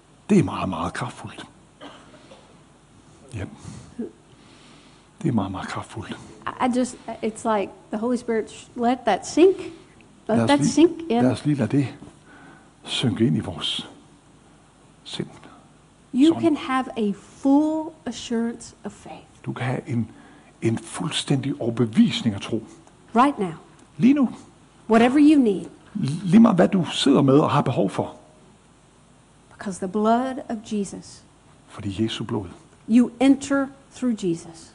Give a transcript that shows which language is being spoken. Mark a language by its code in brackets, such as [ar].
[da] Det er meget, meget kraftfuldt. Ja. Det er meget, meget kraftfuldt. [en] It's like the Holy Spirit let that sink. [da] Lad os lige lade det synke ind i vores sind. [en] You can have a full assurance of faith. [da] Du kan have en fuldstændig overbevisning af tro. [en] Right now. [da] Lige nu. [en] Whatever you need. [da] Lige meget hvad du sidder med og har behov for. [en] Because the blood of Jesus. [da] Fordi Jesu blod. [en] You enter through Jesus.